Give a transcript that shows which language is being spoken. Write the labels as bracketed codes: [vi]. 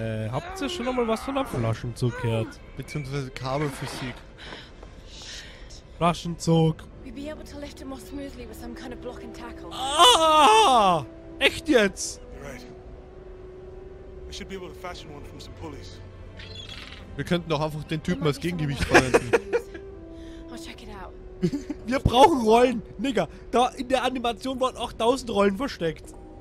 [de] Habt ihr schon einmal was von der Flaschenzug gehört? Beziehungsweise Kabelphysik. Shit. Flaschenzug. [en] We'd be able to lift it more smoothly with some kind of block and tackle. [de] Ah! Echt jetzt? [en] I should be able to fashion one from some pulleys. [de] Wir könnten doch einfach den Typen als Gegengewicht verwenden. [en] I'll check it out. [de] Wir brauchen Rollen, Nigga. Da in der Animation waren auch 1000 Rollen versteckt.